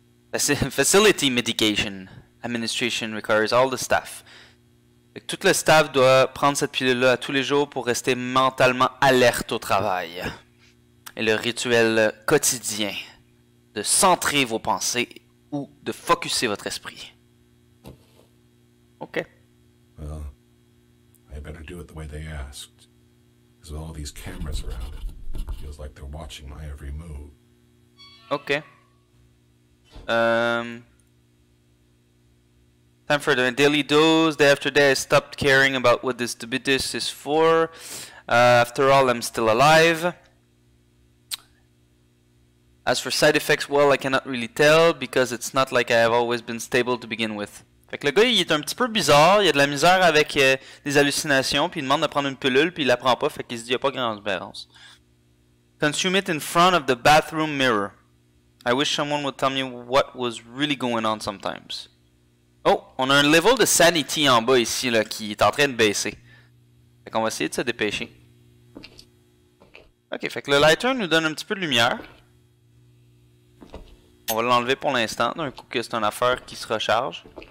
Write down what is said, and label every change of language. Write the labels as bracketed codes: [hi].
[en] Facility medication. Administration requires all the staff. [fr] Fait que tout le staff doit prendre cette pilule-là tous les jours pour rester mentalement alerte au travail. Et le rituel quotidien de centrer vos pensées ou de focusser votre esprit. Ok. [en] Well, I better do it the way they asked. Because with all these cameras around, it feels like they're watching my every move. Ok. Time for the daily dose. Day after day, I stopped caring about what this debitus is for. After all, I'm still alive. As for side effects, well, I cannot really tell because it's not like I have always been stable to begin with. [fr] Fait que le gars, il est un petit peu bizarre. Il a de la misère avec des hallucinations. Puis il demande de prendre une pilule. Puis il la prend pas. Fait qu'il se dit, il n'y a pas grande différence. [en] Consume it in front of the bathroom mirror. I wish someone would tell me what was really going on sometimes. [fr] Oh, on a un level de sanity en bas ici là qui est en train de baisser. Fait qu'on va essayer de se dépêcher. Ok, fait que le lighter nous donne un petit peu de lumière. On va l'enlever pour l'instant, d'un coup que c'est une affaire qui se recharge.